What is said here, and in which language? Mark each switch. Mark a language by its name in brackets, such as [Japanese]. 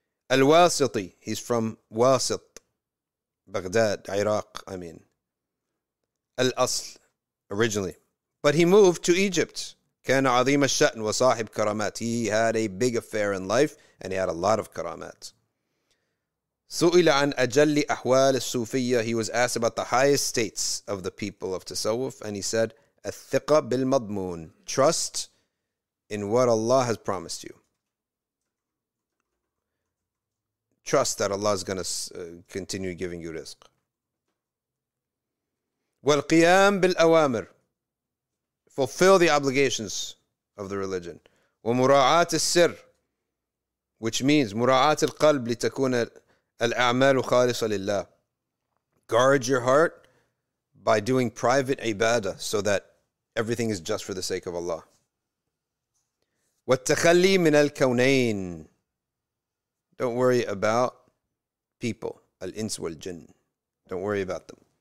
[English] Al-Wasiti, he's from Wasit, Baghdad, Iraq, Al-Asl, originally. But he moved to Egypt. [Arabic] كَانَ عَظِيمَ الشَّأْنِ وَصَاحِبْ كَرَمَاتِ. [English] He had a big affair in life, and he had a lot of karamat. [Arabic] سُئِلَ عَنْ أَجَلِّ أَحْوَالِ السُّوفِيَّةِ. [English] He was asked about the highest states of the people of Tasawwuf, and he said, [Arabic] الثِّقَ بِالْمَضْمُونِ. [English] Trust in what Allah has promised you. Trust that Allah is going to continue giving you rizq. [Arabic] وَالْقِيَامْ بِالْأَوَامِرِ. [English] Fulfill the obligations of the religion. [Arabic] وَمُرَاعَاتِ السِّرِّ. [English] Which means, [Arabic] مُرَاعَاتِ الْقَلْبِ لِتَكُونَ الْأَعْمَالُ خَالِصَ لِلَّهِ. [English] Guard your heart by doing private ibadah so that everything is just for the sake of Allah. [Arabic] وَالْتَخَلِّي مِنَ الْكَوْنَيْنِ. [English] Don't worry about people. [Arabic] Al-ins wal-jinn. [English] Don't worry about them.